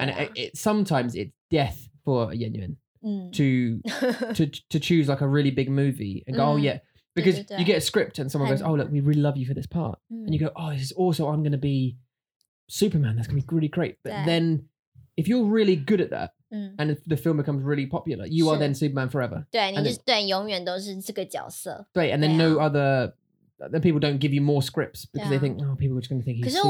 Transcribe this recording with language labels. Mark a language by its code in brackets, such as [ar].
[en] and it sometimes it's death for a [zh] 演员 [en] to choose like a really big movie and go, oh yeah, because [zh] 对对对, [en] you get a script and someone goes, oh look, we really love you for this part, and you go, oh, this is also, I'm gonna be Superman, that's gonna be really great, but then if you're really good at that and if the film becomes really popular, you are then Superman forever, [zh] 对,你就是,对,永远都是这个角色,对, [en] and then no other, then people don't give you more scripts because they think, oh, people are just gonna think he's Superman.